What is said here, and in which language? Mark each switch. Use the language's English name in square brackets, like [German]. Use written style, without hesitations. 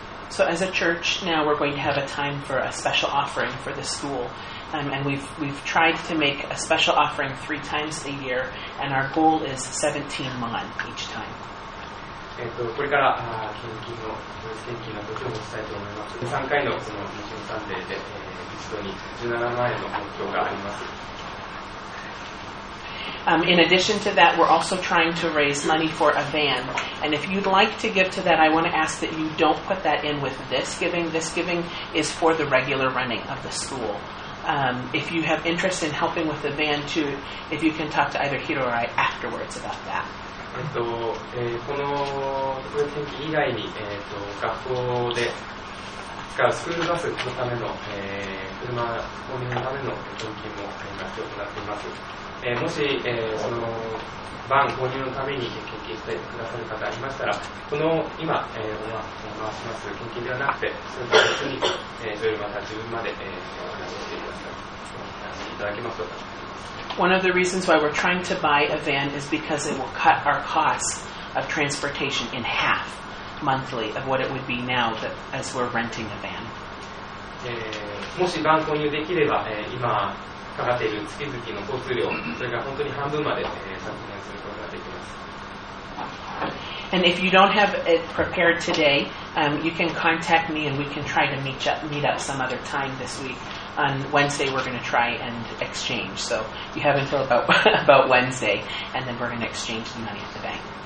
[English] So as a church, now we're going to have a time for a special offering for the school. And we've tried to make a special offering three times a year, and our goal is 17 mon each time. [Japanese] これから献金の、ドイツ献金のことをお伝えと思います。 3回のこの献金サンデーで、一度に17万円の目標があります。 [English] In addition to that, we're also trying to raise money for a van. And if you'd like to give to that, I want to ask that you don't put that in with this giving. This giving is for the regular running of the school. If you have interest in helping with the van too, if you can talk to either Hiro or I afterwards about that. [Japanese] この献金以外に、学校でからスクールバスのための、車購入のための料金も今必要となっています、もし、そのバン購入のために献金してくださる方がいましたら、この今、お回します献金ではなくて、それと別に、それまた自分まで、お話ししてください。いただけますか。 [English] One of the reasons why we're trying to buy a van is because it will cut our costs of transportation in half monthly of what it would be now that as we're renting a van. [Japanese] もしバン購入できれば、今かかっている月々の交通料、それが本当に半分まで、削減することができます。 [English] And if you don't have it prepared today, you can contact me and we can try to meet up some other time this week. On Wednesday, we're going to try and exchange. So you have until about Wednesday, and then we're going to exchange the money at the bank.